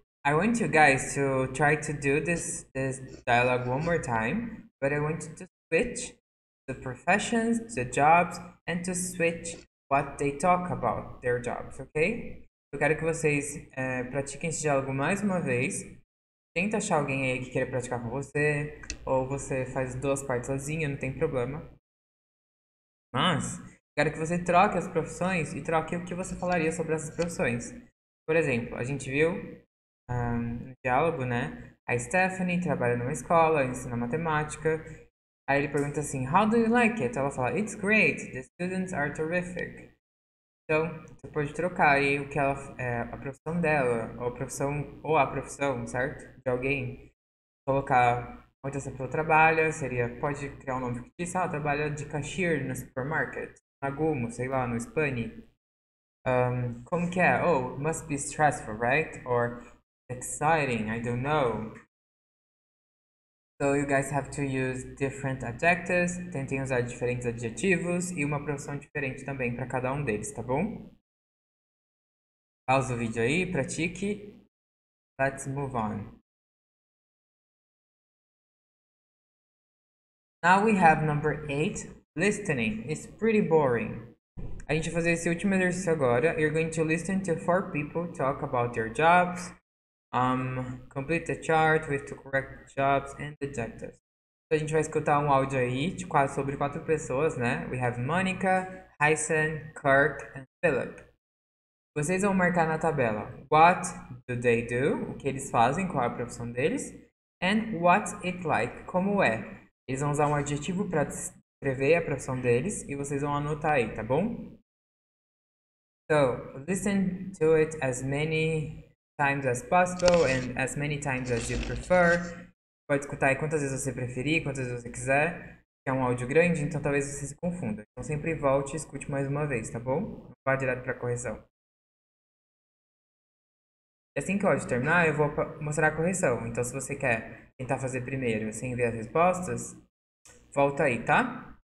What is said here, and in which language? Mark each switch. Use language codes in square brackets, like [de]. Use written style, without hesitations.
[en] I want you guys to try to do this dialogue one more time, but I want you to switch the professions, the jobs, and to switch what they talk about their jobs, ok? [pt] Eu quero que vocês pratiquem esse diálogo mais uma vez. Tenta achar alguém aí que queira praticar com você, ou você faz duas partes sozinho, não tem problema. Mas, quero que você troque as profissões e troque o que você falaria sobre essas profissões. Por exemplo, a gente viu. Diálogo, né? A Stephanie trabalha numa escola, ensina matemática. Aí ele pergunta assim: [en] How do you like it? [pt] Ela fala: [en] It's great, the students are terrific. [pt] Então, você pode trocar aí o que ela é a profissão dela, ou a profissão, certo? De alguém. Colocar onde essa pessoa trabalha, seria: pode criar um nome fictício, ela trabalha de cashier no supermarket, na Gumo, sei lá, no Spani. Como que é? [en] Oh, must be stressful, right? Or exciting, I don't know. So you guys have to use different adjectives. [pt] Tentem usar diferentes adjetivos e uma profissão diferente também para cada um deles, tá bom? Pausa o vídeo aí, pratique. [en] Let's move on. Now we have number 8, listening. It's pretty boring. [pt] A gente vai fazer esse último exercício agora. [en] You're going to listen to four people talk about their jobs. Complete the chart with the correct jobs and adjectives. [pt] Então, a gente vai escutar um áudio aí de quase sobre quatro pessoas, né? [en] We have Monica, Heisen, Kirk and Philip. [pt] Vocês vão marcar na tabela [en] what do they do, [pt] o que eles fazem, qual é a profissão deles, [en] and what's it like, [pt] como é. Eles vão usar um adjetivo para descrever a profissão deles e vocês vão anotar aí, tá bom? [en] So, listen to it as many times as possible and as many times as you prefer. [pt] Pode escutar aí quantas vezes você preferir, quantas vezes você quiser. É um áudio grande, então talvez você se confunda. Então sempre volte e escute mais uma vez, tá bom? Vá direto para a correção. E assim que o áudio terminar, eu vou mostrar a correção. Então se você quer tentar fazer primeiro sem ver as respostas, volta aí, tá?